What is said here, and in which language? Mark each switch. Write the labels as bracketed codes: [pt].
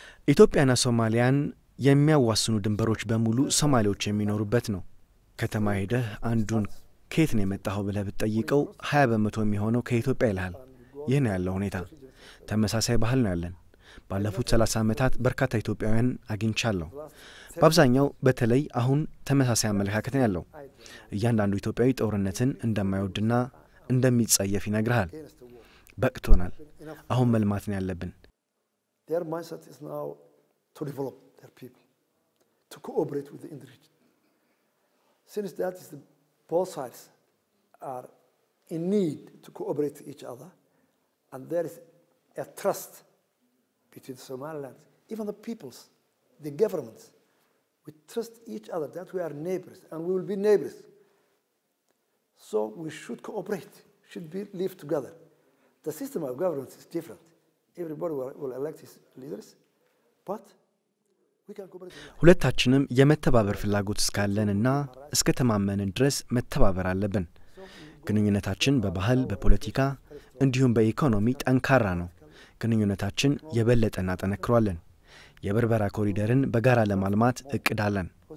[am] ኢትዮጵያና ሶማሊያን የሚያዋስኑ ድንበሮች በሙሉ ሶማሌዎች የሚኖሩበት ነው ከተማ ሄደ አንዱን ከየት ነው የመጣው ብለ ብትጠይቀው 20% የሚሆነው ከኢትዮጵያ ይላል ይሄን ያለው ሁኔታ ተመሳሳይ ባህል ነው ያለን ባለፉት 30 አመታት በርካታ ኢትዮጵያውያን አግኝቻለሁ በአብዛኛው በተለይ አሁን ተመሳሳይ አመለካከት ነው ያለው እያንዳንዱ ኢትዮጵያዊ ጦርነትን እንደማይወድና እንደሚጸየፍ ይነግራል በቅቶናል አሁን መልማት ነው ያለብን [en] Their mindset is now to develop their people, to cooperate with the indigenous. Since that is the both sides are in need to cooperate with each other, and there is a trust between Somaliland, even the peoples, the governments, we trust each other that we are neighbors and we will be neighbors. So we should cooperate, should be live together. The system of governance is different. Everybody will elect his leaders, but we can cooperate. [am] ሁለታችንም የመተባበር ፍላጎት እስካለንና እስከተማመንን ድረስ መተባበር አለብን። ግንኙነታችን በባህል በፖለቲካ እንዲሁም በኢኮኖሚ ጠንካራ ነው። ግንኙነታችን የበለጠና ተነክሯልን። የበርበራ ኮሪደርን በጋራ ለማልማት እቅዳለን።